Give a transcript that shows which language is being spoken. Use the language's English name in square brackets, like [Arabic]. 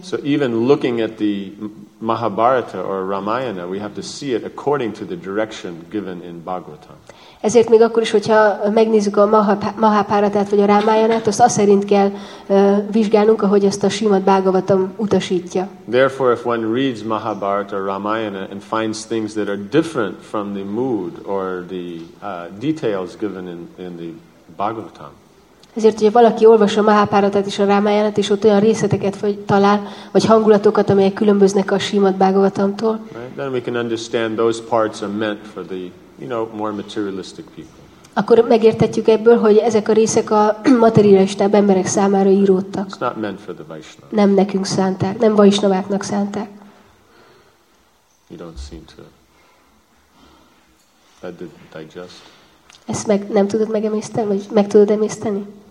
[English] So even looking at the Mahabharata or Ramayana, we have to see it according to the direction given in Bhagavatam. [Hungarian] Ezért még akkor is, hogyha megnézzük a Mahabharatát vagy a Rámájánát, azt szerint kell vizsgálnunk, ahogy ezt a Srimad Bhagavatam utasítja. [English] Therefore, if one reads Mahabharata or Ramayana and finds things that are different from the mood or the details given in the Bhagavatam. [Hungarian] Ezért, hogyha valaki olvassa a Mahabharatát és a Rámájánát, és ott olyan részleteket talál, vagy hangulatokat, amelyek különböznek a Srimad Bhagavatamtól. [English] Right? Then we can understand those parts are meant for the, you know, more materialistic people. [Hungarian] Akkor megértetjük ebből, hogy ezek a részek a materialistább emberek számára íródtak. [English] It's not meant for the Vaishnavas. [Hungarian] Nem nekünk szánták, nem Vaishnaváknak szánták. [English] You don't seem to. That didn't digest. [Hungarian] Ezt meg nem tudod megemészteni, vagy meg tudod emészteni?